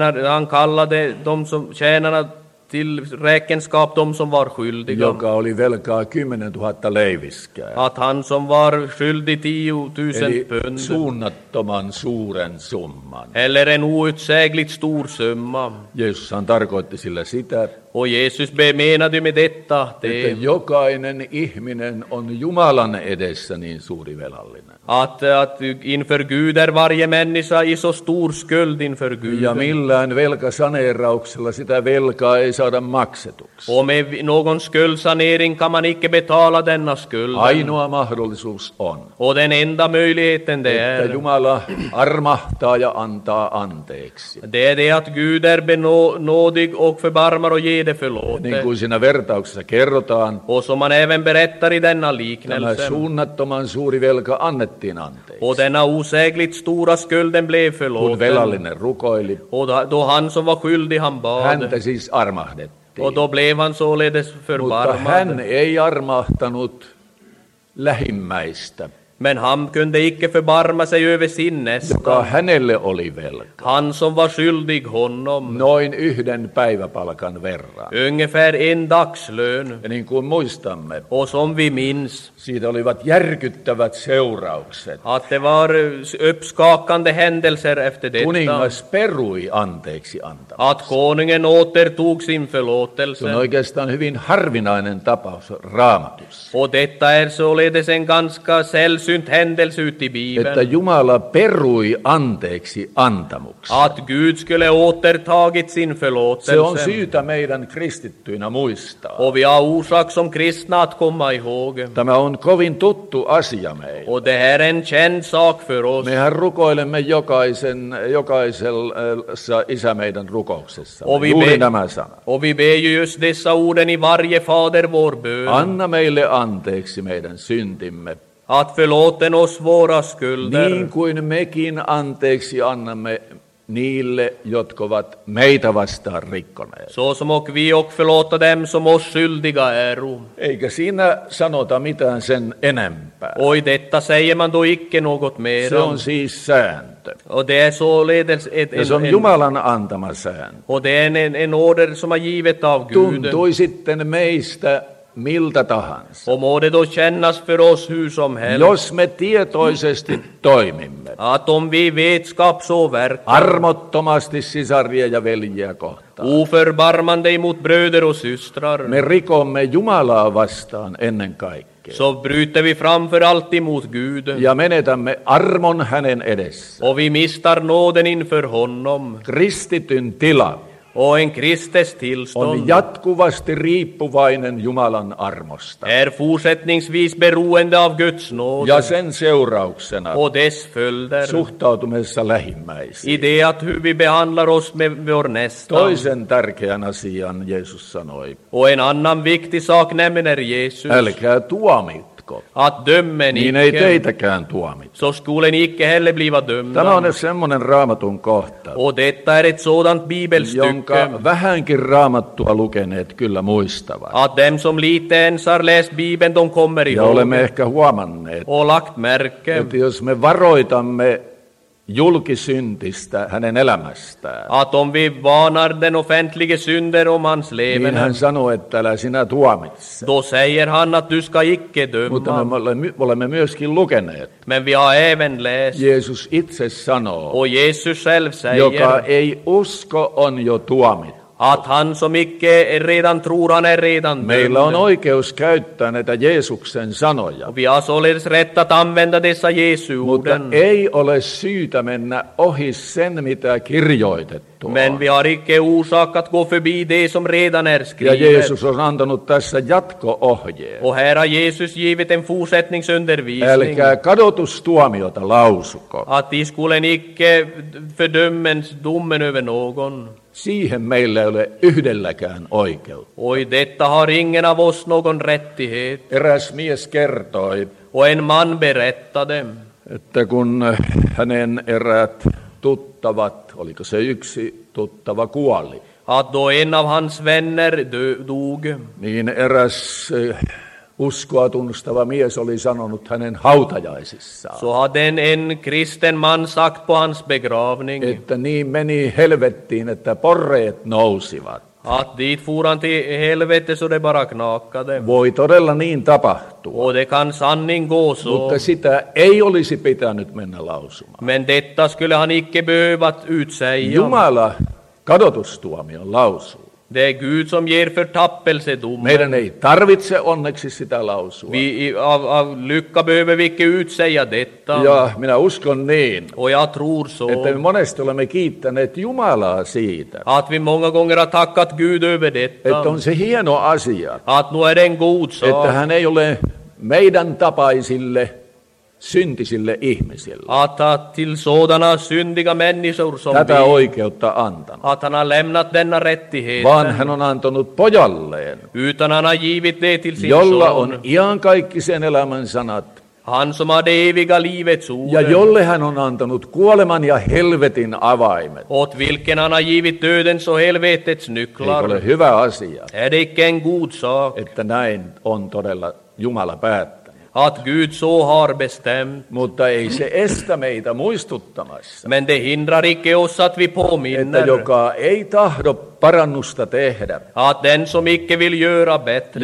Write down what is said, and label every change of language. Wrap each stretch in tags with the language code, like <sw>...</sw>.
<sv>Han kallade de som tjänarna till räkenskap, de som var skyldiga.</sv> <fi>Joka oli velkaa 10,000 leiviskää.</fi> <sv>Att han som var skyldig 10,000 pund.</sv> <fi>Eli suunnattoman suuren summan.</fi> <sv>Eller en outsägligt stor summa.</sv> <fi>Jeesushan tarkoitti sillä sitä.</fi> <sv>Och Jesus menade med detta.</sv> <fi>Että jokainen ihminen on Jumalan edessä niin suuri velallinen.</fi> <sv>Att inför Gud är varje människa i så stor skuld inför Gud.</sv> <fi>Ja millään velkasaneerauksella sitä velkaa ei saada maksetuksi.</fi> <sv>Och med någon skuldsanering kan man icke betala denna skulden.</sv> <fi>Ainoa mahdollisuus on.</fi> <sv>Och den enda möjligheten det är.</sv> <fi>Että Jumala armahtaa ja antaa anteeksi.</fi> <sv>Det är det att Gud är benådig och förbarmar och ger det förlåtet.</sv> <fi>Niin kuin siinä vertauksessa kerrotaan.</fi> <sv>Och som man även berättar i denna liknelsen.</sv> <fi>Tämä suunnattoman suuri velka annettiin anteeksi.</fi> <sv>Och denna osägligt stora skulden blev förlåten.</sv> <fi>Kun velallinen rukoili.</fi> <sv>Och då han som var skyldig han bad.</sv> <fi>Häntä siis armahdettiin.</fi> <sv>Och då blev han således förbarmad.</sv> <fi>Mutta hän ei armahtanut lähimmäistä.</fi> <sv>Men han kunde icke förbarma sig över sin nästa.</sv> <fi>Joka hänelle oli velka.</fi> <sv>Han som var skyldig honom.</sv> <fi>Noin yhden päiväpalkan verran.</fi> <sv>Ungefär en dagslön.</sv> <fi>Ja niin kuin muistamme.</fi> <sv>Och som vi minns.</sv> <fi>Siitä olivat järkyttävät seuraukset.</fi> <sv>Att det var uppskakande händelser efter detta.</sv> <fi>Kuningas perui anteeksi antamassa.</fi> <sv>Att konungen återtog sin förlåtelse.</sv> <fi>Se on oikeastaan hyvin harvinainen tapaus Raamatussa.</fi> <sv>Och detta är således en ganska sällsynt händelse ut i Bibeln.</sv> <fi>Että Jumala perui anteeksi antamuksen.</fi> <sv>Att Gud skulle återtagit sin förlåtelse.</sv> <fi>Se on syytä meidän kristittyinä muistaa.</fi> <sv>Och vi har orsak som kristna att komma ihåg.</sv> <fi>Tämä on kovin tuttu asia meille.</fi> <sv>Och det här är en känd sak för oss.</sv> <fi>Mehän rukoilemme jokaisella isä meidän rukouksessa. Juuri nämä sanat.</fi> <sv>Och vi ber ju just dessa orden i varje fader vår bön.</sv> <fi>Anna meille anteeksi meidän syntimme.</fi> <sv>Att förlåten oss våra skulder.</sv> <fi>Niin kuin mekin anteeksi annamme niille, jotka ovat meitä vastaan rikkoneet.</fi> <sv>Så som och vi och förlåta dem som oss skyldiga äro.</sv> <fi>Eikä siinä sanota mitään sen enempää.</fi> <sv>Oi detta säger man då icke något mer.</sv> <fi>Se on siis sääntö.</fi> <sv>Och det är således</sv> <fi>ja se on Jumalan antama sääntö.</fi> <sv>Och det är en order som har givet av Gud.</sv> <fi>Tuntui sitten meistä miltä tahansa.</fi> <sv>Och må det då kännas för oss hur som helst.</sv> <fi>Jos me tietoisesti toimimme.</fi> <sv>Att om vi vetskap så verkar.</sv> <fi>Armottomasti sisaria ja veljiä kohtaan.</fi> <sv>Oförbarmande mot bröder och systrar.</sv> <fi>Me rikomme Jumalaa vastaan ennen kaikkea.</fi> <sv>Så bryter vi framför allt mot Gud.</sv> <fi>Ja menetämme armon hänen edessä.</fi> <sv>Och vi mistar nåden inför honom.</sv> <fi>Kristityn tila.</fi> <sv>Och en kristes tillstånd</sv> <fi>on jatkuvasti riippuvainen Jumalan armosta.</fi> <sv>Är fortsättningsvis beroende av Guds nåd.</sv> <fi>Ja sen seurauksena.</fi> <sv>Och dess följder.</sv> <fi>Suhtautumessa lähimmäisiin.</fi> <sv>I det att hur vi behandlar oss med vår nästa.</sv> <fi>Toisen tärkeän asian Jeesus sanoi.</fi> <sv>Och en annan viktig sak nämner Jesus.</sv> <fi>Älkää tuomit.</fi> <sv>Att dömme</sv> <fi>niin</fi> <sv>icke.</sv> <fi>Ei teitäkään tuomita.</fi> <sv>Så skulle ni icke heller bliva dömda.</sv> <fi>Tämä on semmoinen Raamatun kohta.</fi> <sv>Och detta är ett sådant bibelstycke.</sv> <fi>Jonka vähänkin Raamattua lukeneet kyllä muistavat.</fi> <sv>Att dem som lite ens har läst Bibeln, de kommer ihåg.</sv> <fi>Ja olemme ehkä huomanneet.</fi> <sv>Och lagt märke.</sv> <fi>Että jos me varoitamme julkisyntistä hänen elämästään.</fi> <sv>Att om vi varnar den offentlige synder om hans leven.</sv> <fi>Niin hän sanoo, että älä sinä tuomitse.</fi> <sv>Då säger han att du ska icke döma.</sv> <fi>Mutta me olemme myöskin lukeneet.</fi> <sv>Men vi har även läst.</sv> <fi>Jeesus itse sanoo.</fi> <sv>Och Jesus själv säger.</sv> <fi>Joka ei usko on jo tuomittu.</fi> <sv>Att han som icke redan tror, han är redan dömd.</sv> <fi>Meillä on oikeus käyttää näitä Jeesuksen sanoja.</fi> <sv>Vi har således rätt att använda dessa Jeesu orden.</sv> <fi>Mutta ei ole syytä mennä ohi sen, mitä kirjoitettu on.</fi> <sv>Men vi har icke orsak att gå förbi det som redan är skrivet.</sv> <fi>Ja Jeesus on antanut tässä jatko-ohjeen.</fi> <sv>Och här har Jeesus givit en fortsättningsundervisning.</sv> <fi>Älkää kadotustuomiota lausuko.</fi> <sv>Att i skulen icke fördömmens domen över någon.</sv> <fi>Siihen meillä ei ole yhdelläkään oikeutta.</fi> <sv>Oi, detta har ingen av oss någon rättighet.</sv> <fi>Eräs mies kertoi.</fi> <sv>Och en man berättade.</sv> <fi>Että kun hänen eräät tuttavat, oliko se yksi tuttava, kuoli.</fi> <sv>Att då en av hans vänner dog.</sv> <fi>Niin eräs uskoa tunnustava mies oli sanonut hänen hautajaisissaan.</fi> <sv>Så hade en kristen man sagt på hans begravning.</sv> <fi>Että niin meni helvettiin, että porreet nousivat.</fi> <sv>Att dit for han till helvete så det bara knakade.</sv> <fi>Voi todella niin tapahtua.</fi> <sv>Och det kan sanning gå så.</sv> <fi>Mutta sitä ei olisi pitänyt mennä lausumaan.</fi> <sv>Men detta skulle han icke behövat utsäga.</sv> <fi>Jumala kadotustuomion lausuu.</fi> <sv>Det är Gud som ger förtappelsedomen.</sv> <fi>Meidän ei tarvitse onneksi sitä lausua.</fi> <sv>Vi, av lycka behöver vi inte utsäga detta.</sv> <fi>Ja, minä uskon niin.</fi> <sv>Och jag tror så.</sv> <fi>Että me monesti olemme kiittäneet Jumalaa siitä.</fi> <sv>Att vi många gånger har tackat Gud över detta.</sv> <fi>Että on se hieno asia.</fi> <sv>Att nu är det en god sak.</sv> <fi>Että hän ei ole meidän tapaisille syntisille ihmisille.</fi> <sv>Atta till sådana syndiga människor som</sv> <fi>tätä oikeutta antanut.</fi> <sv>Att han har lämnat denna rättighet.</sv> <fi>Vaan hän on antanut pojalleen.</fi> <sv>Utan han har givit det till sin</sv> <fi>jolla</fi> <sv>son.</sv> <fi>On iankaikkisen elämän sanat.</fi> <sv>Han som har det eviga livet</sv> <fi>suuren. Ja jolle hän on antanut kuoleman ja helvetin avaimet.</fi> <sv>Åt vilken han har givit dödens och helvetets nycklar.</sv> <fi>Eikö ole hyvä asia?</fi> <sv>Är det icke en god sak?</sv> <fi>Että näin on todella Jumala päättänyt.</fi> <sv>Att Gud så har bestämt.</sv> <fi>Mutta ei se estä meitä muistuttamassa.</fi> <sv>Men det hindrar icke oss att vi påminner.</sv> <fi>Että joka ei tahdo parannusta tehdä.</fi> <sv>Att den som icke vill göra bättring.</sv>